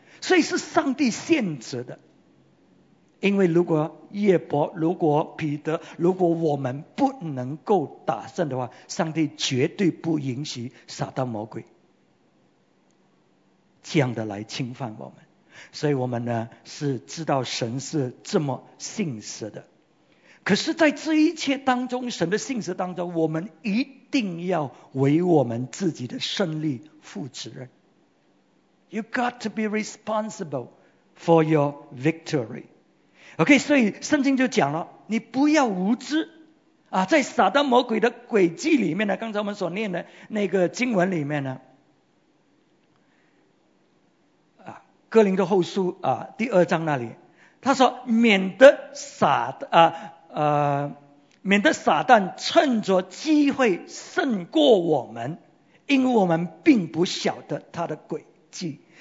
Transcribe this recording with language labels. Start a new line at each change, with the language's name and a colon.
Chinese: 所以是上帝限制的。因为如果叶伯，如果彼得，如果我们不能够打胜的话，上帝绝对不允许撒旦魔鬼这样的来侵犯我们。所以我们呢是知道神是这么信实的。可是在这一切当中，神的信实当中，我们一定要为我们自己的胜利负责任。
English: You got to be responsible for your victory。
Chinese: OK， 所以圣经就讲了，你不要无知啊，在撒旦魔鬼的诡计里面呢，刚才我们所念的那个经文里面呢，啊，哥林多后书啊第二章那里，他说免得撒旦趁着机会胜过我们，因为我们并不晓得他的诡计。